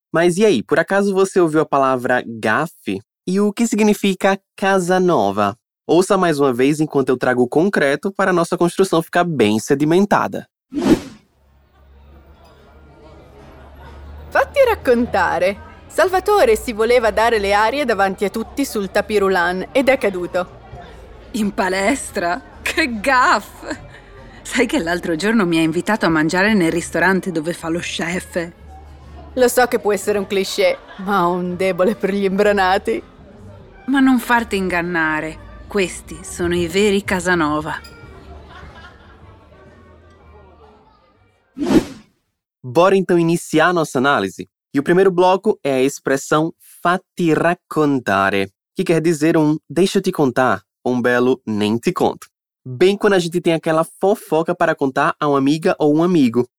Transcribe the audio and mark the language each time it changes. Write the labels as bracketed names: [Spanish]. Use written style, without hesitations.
[Portuguese] Mas e aí, por acaso você ouviu a palavra gaffe? E o que significa Casanova? Ouça mais uma vez enquanto eu trago o concreto para a nossa construção ficar bem sedimentada. [Italian] Fatti raccontare. Salvatore si voleva dare le arie davanti a tutti sul tapirulan ed è caduto. In palestra? Che gaffe! Sai che l'altro giorno mi ha invitato a mangiare nel ristorante dove fa lo chef? Lo so che può essere un cliché, ma ho un debole per gli imbranati. Ma non farti ingannare. Questi sono i veri Casanova. [Portuguese] Bora então iniziar a nossa análise. E o primeiro bloco é a expressão fatti raccontare, que quer dizer um deixa-te contar, um belo nem te conto. Bem quando a gente tem aquela fofoca para contar a uma amiga ou um amigo.